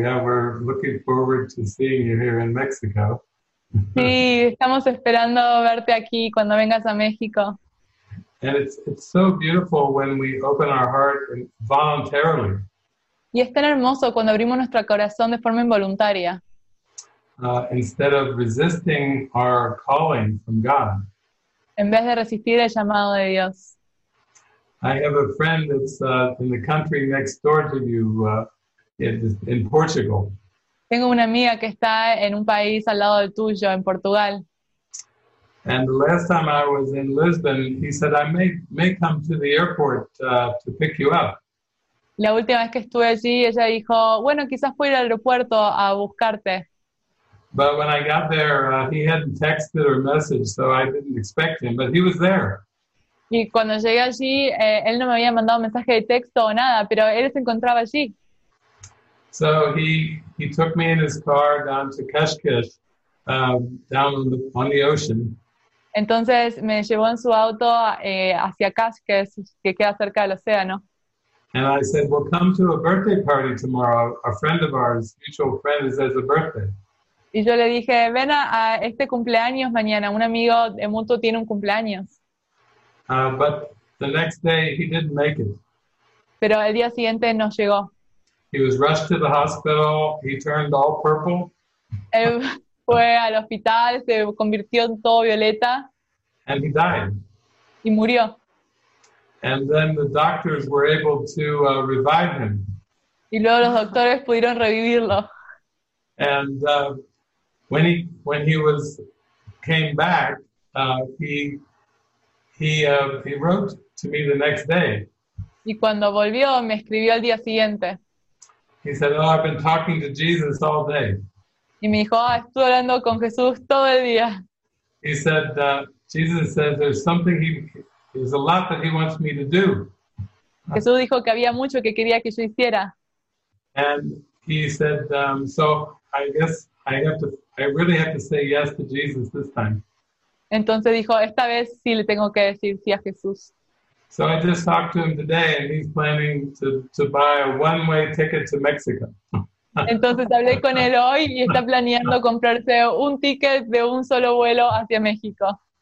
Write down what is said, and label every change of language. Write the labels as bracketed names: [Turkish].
[English] Yeah, we're looking forward to seeing you here in Mexico. [Spanish] Sí, estamos esperando verte aquí cuando vengas a México. [English] And it's so beautiful when we open our heart voluntarily. [Spanish] Y es tan hermoso cuando abrimos nuestro corazón de forma involuntaria. [English] Instead of resisting our calling from God. [Spanish] En vez de resistir el llamado de Dios. [English] I have a friend that's in the country next door to you, in Portugal. [Spanish] Tengo una amiga que está en un país al lado del tuyo, en Portugal. [English] And the last time I was in Lisbon, he said I may come to the airport to pick you up. [Spanish] La última vez que estuve allí, ella dijo, bueno, quizás puedo ir al aeropuerto a buscarte. [English] But when I got there, he hadn't texted or messaged, so I didn't expect him, but he was there. [Spanish] Y cuando llegué allí, él no me había mandado mensaje de texto o nada, pero él se encontraba allí. [English] So he took me in his car down to Keshkesh, down on the ocean. [Spanish] Entonces me llevó en su auto hacia Keshkesh, que queda cerca del océano. [English] And I said, "Well, come to a birthday party tomorrow. A friend of ours, mutual friend, is as a birthday." [Spanish] Y yo le dije, "Ven a este cumpleaños mañana. Un amigo de mutuo tiene un cumpleaños." [English] But the next day he didn't make it. [Spanish] Pero el día siguiente no llegó. [English] He was rushed to the hospital. He turned all purple. [Spanish] Él fue al hospital, se convirtió en todo violeta. [English] And he died. [Spanish] Y murió. [English] And then the doctors were able to revive him. [Spanish] Y luego los doctores pudieron revivirlo. [English] And when he came back, he wrote to me the next day. [Spanish] Y cuando volvió, me escribió al día siguiente. [English] He said, "Oh, I've been talking to Jesus all day." [Spanish] Y me dijo, "Oh, estuve hablando con Jesús todo el día." [English] He said, "Jesus says there's a lot that he wants me to do." [Spanish] Jesús dijo que había mucho que quería que yo hiciera. [English] And he said, "So I guess I really have to say yes to Jesus this time." [Spanish] Entonces dijo, esta vez sí le tengo que decir sí a Jesús. [English] So I just talked to him today and he's planning to buy a one-way ticket to Mexico. [Spanish] Entonces hablé con él hoy y está planeando comprarse un ticket de un solo vuelo hacia México.